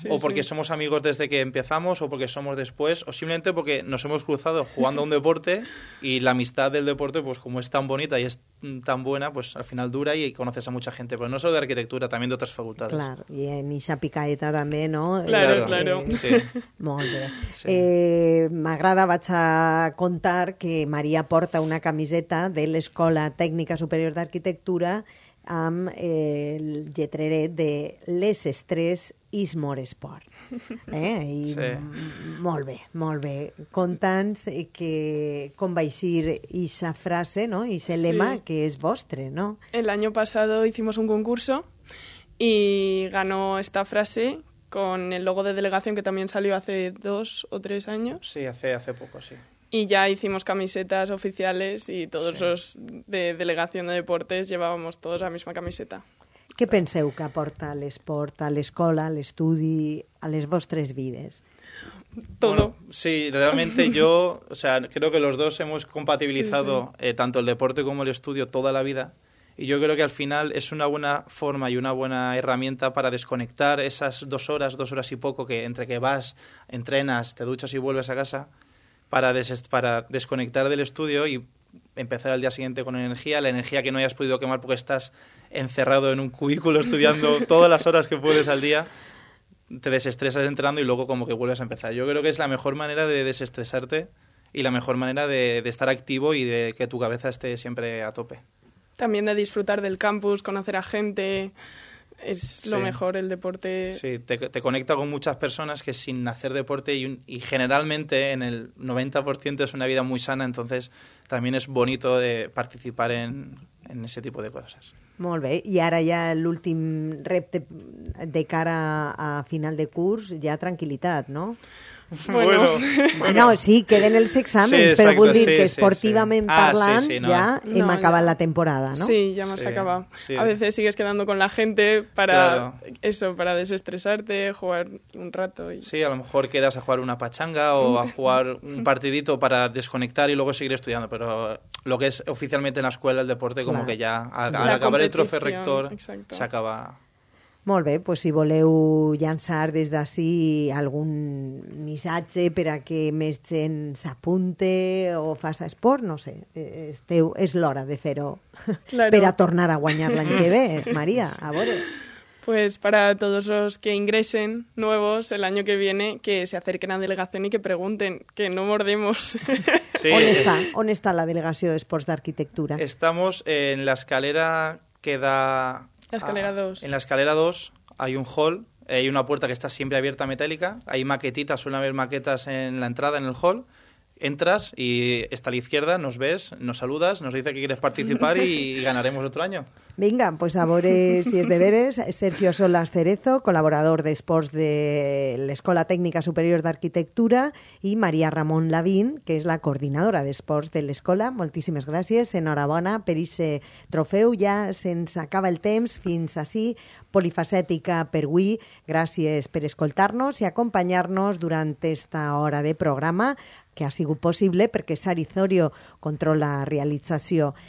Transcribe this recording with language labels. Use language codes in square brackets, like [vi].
[es] o porque somos amigos desde que empezamos o porque somos después o simplemente porque nos hemos cruzado jugando a un deporte y la amistad del deporte, pues como es tan bonita y es tan buena, pues al final dura y conoces a mucha gente. Pues no solo de arquitectura, también de otras facultades. Claro, y en esa picaeta también, ¿no? Claro. Sí. [ca] Molt bé. Sí. M'agrada, vaig a contar que Maria porta una camiseta de l'Escola Tècnica Superior d'Arquitectura amb el lletreret de Les Estrès is More Sport. Sí. Molt bé. Conta'ns que, com va eixir ixa frase, no? Ixe lema, sí. Que és vostre, no? [es] El año pasado hicimos un concurso y ganó esta frase... Con el logo de delegación que también salió hace 2 o 3 años. Sí, hace poco, sí. Y ya hicimos camisetas oficiales y todos los de delegación de deportes llevábamos todos la misma camiseta. [ca] ¿Qué penseu que aporta el esport a l'escola, a l'estudi, a les vostres vides? [es] Todo. Bueno, sí, realmente yo, o sea, creo que los dos hemos compatibilizado tanto el deporte como el estudio toda la vida. Y yo creo que al final es una buena forma y una buena herramienta para desconectar esas 2 horas y poco que entre que vas, entrenas, te duchas y vuelves a casa, para desconectar del estudio y empezar al día siguiente con energía, la energía que no hayas podido quemar porque estás encerrado en un cubículo estudiando todas las horas que puedes al día, te desestresas entrenando y luego como que vuelves a empezar. Yo creo que es la mejor manera de desestresarte y la mejor manera de estar activo y de que tu cabeza esté siempre a tope. También de disfrutar del campus, conocer a gente, es lo mejor, el deporte. Sí, te conecta con muchas personas que sin hacer deporte y generalmente en el 90% es una vida muy sana, entonces también es bonito de participar en ese tipo de cosas. [ca] Molt bé, i ara ja l'últim repte de cara a final de curs, ja tranquil·litat, no? Bueno. No, sí, queden els exàmens, sí, exacte, però vull dir sí, que esportivament sí. Parlant, sí, no. Ja hem acabat la temporada, no? Sí, ja m'has acabat. Sí. [es] A veces sigues quedando con la gente para eso, para desestresarte, jugar un rato. Y... Sí, a lo mejor quedas a jugar una pachanga o a jugar un partidito para desconectar y luego seguir estudiando, pero lo que es oficialmente en la escuela, el deporte, como que ya al acabar el trofeo rector exacto. Se acaba... [ca] Molt bé, pues si voleu llançar des d'ací algun missatge per a que més gent s'apunte o faça esport, no sé, esteu, és l'hora de fer-ho. [es] Claro. [ca] Per a tornar a guanyar l'any que ve, Maria, a veure. [es] Pues para todos los que ingresen nuevos el año que viene, que se acerquen a delegación y que pregunten, que no mordemos. Sí. ¿Dónde está? [ca] ¿Dónde está la delegación de esports d'arquitectura? [es] Estamos en la escalera que da... La escalera 2. En la escalera 2 hay un hall, hay una puerta que está siempre abierta metálica, hay maquetitas, suelen haber maquetas en la entrada, en el hall. Entras y está a la izquierda, nos ves, nos saludas, nos dice que quieres participar y ganaremos otro año. Venga, pues a veres y es deberes. Sergio Solas Cerezo, colaborador de esports de la Escuela Técnica Superior de Arquitectura, y María Ramón Lavín, que es la coordinadora de esports de la escuela. [ca] Moltíssimes gràcies, enhorabona per ese trofeu. Ja se'ns acaba el temps, fins així. Polifacètica per avui. Gràcies per escoltar-nos i acompanyar-nos durant esta hora de programa, que ha sigut possible perquè Sari Zorio controla realització.